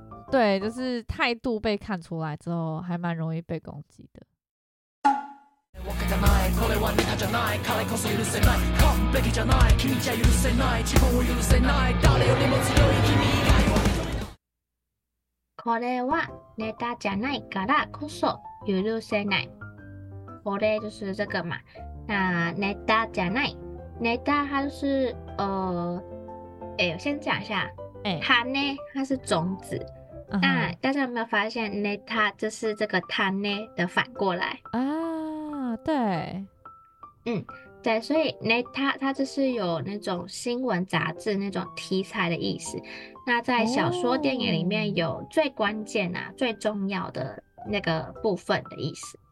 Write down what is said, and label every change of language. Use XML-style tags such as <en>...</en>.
<zh>对就是态度被看出来之后还蛮容易被攻击的</zh> <ja>これはネタじゃないからこそ許せない。完璧じゃない。君じゃ許せない。自分を許せない。誰よりも強い君以外は。これはネタじゃないからこそ許せない。これ</ja> <zh>就是这个嘛。那</zh> <ja>ネタじゃない。ネタ</ja> <zh>它就是我先讲一下。它呢，它是种子。那大家有没有发现，ネタ就是这个它呢的反过来啊？对，嗯，对，所以那它就是有那种新闻杂志那种题材的意思。那在小说、电影里面有最关键啊、最重要的那个部分的意思。</zh>